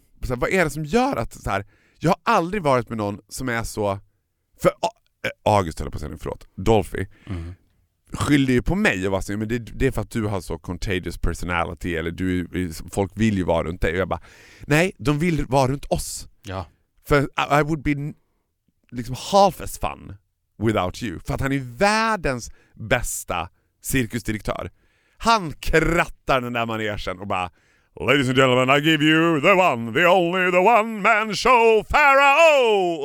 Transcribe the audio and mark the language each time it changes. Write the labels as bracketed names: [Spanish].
[Swedish] Så här, vad är det som gör att så här, jag har aldrig varit med någon som är så, för August eller på sen, förlåt, Dolphy. Skyllde ju på mig och var så, men det är för att du har så [English] contagious personality, [Swedish] eller du, folk vill ju vara runt dig. Och jag bara, nej, de vill vara runt oss. Ja. [English] För I would be liksom half as fun without you. [Swedish] För att han är världens bästa cirkusdirektör. Han krattar den där manegen och bara, [English] ladies and gentlemen, I give you the one, the only, the one man show, Pharaoh!